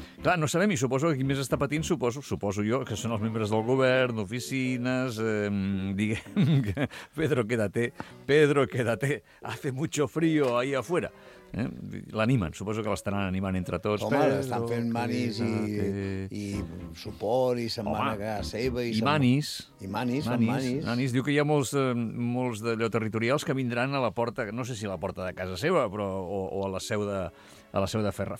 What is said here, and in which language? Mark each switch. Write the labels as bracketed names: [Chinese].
[Catalan] Clar, no sabem, i suposo que qui més està patint, suposo jo, que són els membres del govern, oficines... diguem que [Spanish] Pedro, quédate, Pedro, quédate, hace mucho frío ahí afuera. [Catalan] L'animen, suposo que l'estaran animant entre tots. Home, l'estan fent manis i suport i se'n van a seva. I manis. I manis, manis. Manis. Diu que hi ha molts d'allò territorials que vindran a la porta, no sé si a la porta de casa seva, però o a la seu de... A la seu de Ferraz.